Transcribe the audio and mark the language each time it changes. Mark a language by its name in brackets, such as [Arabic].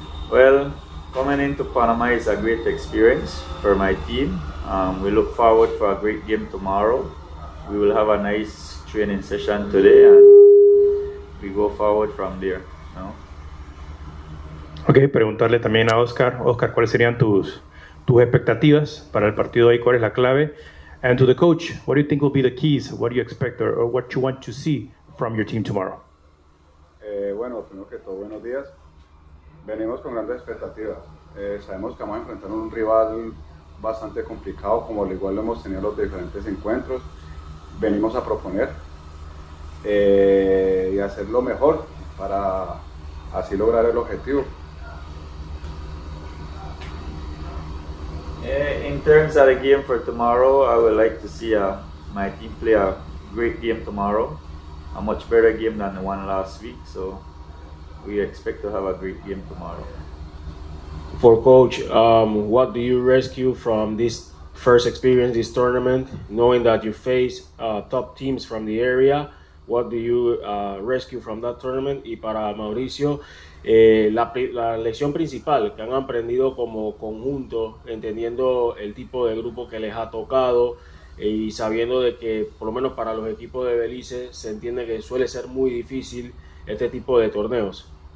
[English] Well, coming into Panama is a great experience for my team. We look forward for a great game tomorrow. We will have a nice training session today and we go forward from there, no? [Spanish] Okay, preguntarle también a Oscar. Oscar, ¿cuáles serían tus expectativas para el partido hoy? ¿Cuál es la clave? [English] And to the coach, what do you think will be the keys? What do you expect or what you want to see from your team tomorrow? [Spanish] Bueno, primero que todo, buenos días. Venimos con grandes expectativas. Sabemos que vamos a enfrentar un rival bastante complicado, como al igual lo hemos tenido en los diferentes encuentros. Venimos a proponer y hacer lo mejor para así lograr el objetivo. [English] In terms of the game for tomorrow, I would like to see my team play a great game tomorrow. A much better game than the one last week, so we expect to have a great game tomorrow. For coach, what do you rescue from this first experience, this tournament, knowing that you face top teams from the area? What do you rescue from that tournament? [Spanish] Y para Mauricio, la lección principal que han aprendido como conjunto, entendiendo el tipo de grupo que les ha tocado, y sabiendo de que por lo menos para los equipos de Belice se entiende que suele ser muy difícil este tipo de torneos.